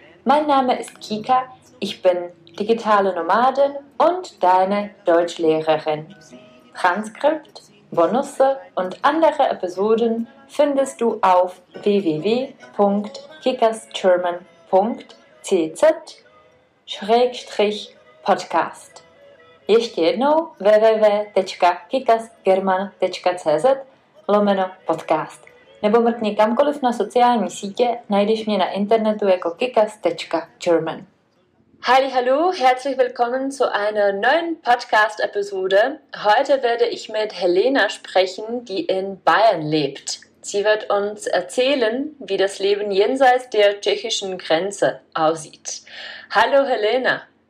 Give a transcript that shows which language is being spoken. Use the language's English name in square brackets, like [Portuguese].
[German] Mein Name ist Kika, ich bin digitale Nomadin und deine Deutschlehrerin. Transkript, Bonusse und andere Episoden findest du auf www.kikasgerman.cz/podcast. [Czech] Ještě jednou www.kikasgerman.cz/podcast. Nebo mrkni kamkoliv na sociální sítě, najdeš mě na internetu jako kikas.german. [German] Hallihallo, herzlich willkommen zu einer neuen Podcast-Episode. Heute werde ich mit Helena sprechen, die in Bayern lebt. Sie wird uns erzählen, wie das Leben jenseits der tschechischen Grenze aussieht. Hallo Helena.